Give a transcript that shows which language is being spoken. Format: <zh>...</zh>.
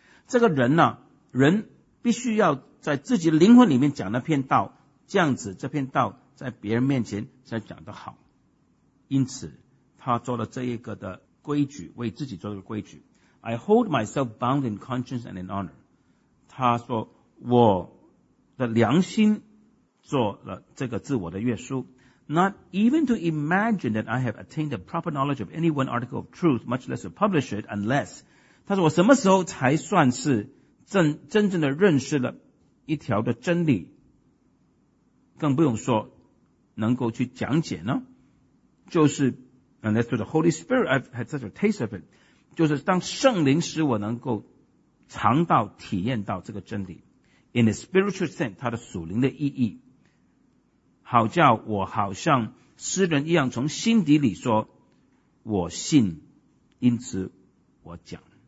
<zh>这个人呢，人必须要在自己灵魂里面讲那篇道，这样子这篇道在别人面前才讲得好。因此他做了这一个的规矩，为自己做了个规矩。</zh> <en>I hold myself bound in conscience and in honor。</en> <zh>他说我的良心做了这个自我的约束。</zh> <en>Not even to imagine that I have attained the proper knowledge of any one article of truth, much less to publish it, unless...</en> <zh>他说我什么时候才算是 真正的认识了一条的真理，更不用说能够去讲解呢，就是</zh> <en>unless to the Holy Spirit I've had such a taste of it，</en> <zh>就是当圣灵使我能够尝到体验到这个真理</zh> <en>in a spiritual sense，</en> <zh>它的属灵的意义，好叫我好像诗人一样从心底里说我信，因此我讲。</zh>